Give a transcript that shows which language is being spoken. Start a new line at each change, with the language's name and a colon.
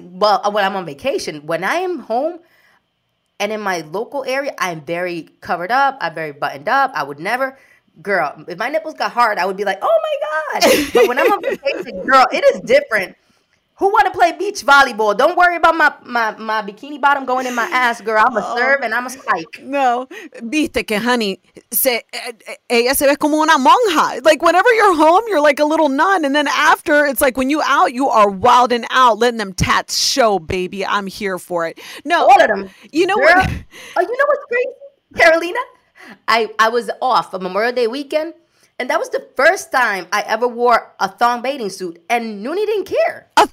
English: Well, when I'm on vacation, when I am home and in my local area, I'm very covered up. I'm very buttoned up. I would never, girl, if my nipples got hard, I would be like, oh my God. But when I'm on vacation, girl, it is different. Who want to play beach volleyball? Don't worry about my bikini bottom going in my ass, girl. I'm a serve and I'm a spike. No.
Spanish: Viste que, honey, ella se ve como una monja.
English: Like, whenever you're home, you're like a little nun. And then after, it's like when you out, you are wild and out, letting them tats show, baby. I'm here for it. No. All of them. You know girl, what? Oh, you know what's crazy, Carolina? I was off for Memorial Day weekend. And that was the first time I ever wore a thong bathing suit, and Noonie didn't care.